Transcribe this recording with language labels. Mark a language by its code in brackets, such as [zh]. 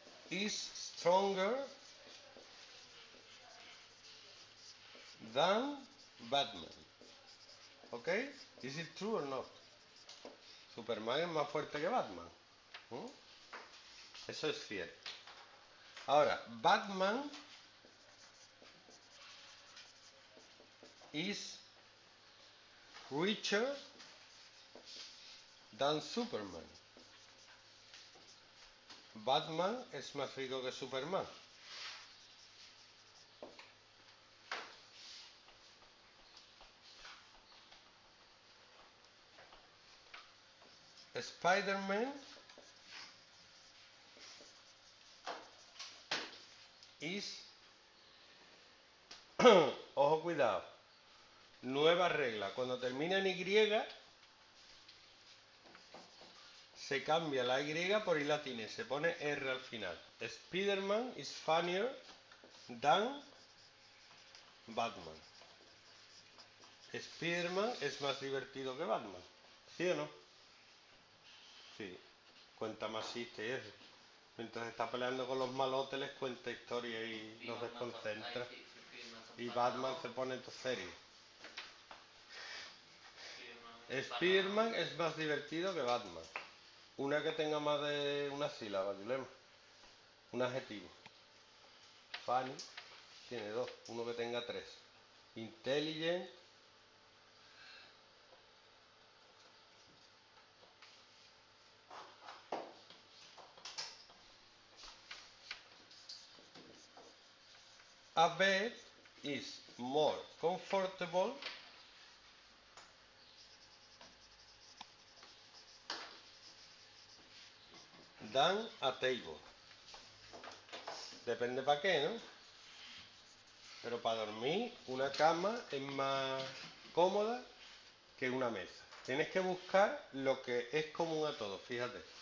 [en] Is stronger than Batman. ¿Ok? [es] ¿Es true o no? Superman es más fuerte que Batman. Eso es cierto. Ahora, [en] Batman is richer than Superman. [es] Batman es más rico que Superman. Spider-Man is, ojo, cuidado, nueva regla, cuando termina en Y se cambia la Y por I latina, se pone R al final. [en] Spiderman is funnier than Batman. [es] Spiderman es más divertido que Batman. ¿Sí o no? Sí. Cuenta más chistes. Mientras está peleando con los malóteles, cuenta historia y los desconcentra. Y Batman se pone en serio. Spiderman es más divertido que Batman. Una que tenga más de una sílaba, dilema. Un adjetivo. Funny tiene dos. Uno que tenga tres. Intelligent. [en] A bed is more comfortable dan a table. [es] Depende para qué, ¿no? Pero para dormir, una cama es más cómoda que una mesa. Tienes que buscar lo que es común a todos, fíjate.